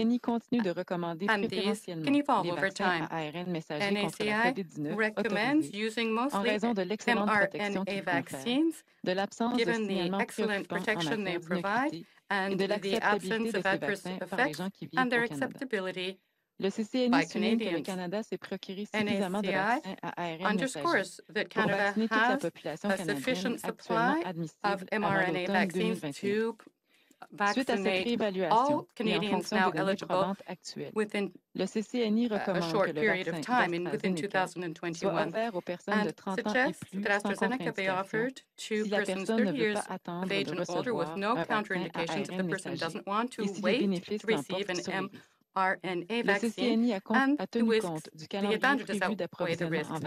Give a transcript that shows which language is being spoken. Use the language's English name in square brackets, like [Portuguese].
[English] And these can evolve over time. NACI recommends using mostly mRNA vaccines, given the excellent protection they provide and the absence of adverse effects and their acceptability. [French] Le CCNI souligne que le Canada s'est procuré suffisamment de vaccins à ARN messager [English] underscores that Canada has a sufficient supply of mRNA vaccines to vaccinate all Canadians now eligible within a short period of time, within 2021, and suggests that AstraZeneca be offered to persons 30 years of age and older with no counterindications if the person doesn't want to wait to receive an mRNA vaccine, and the risks, the advantages outweigh the risks.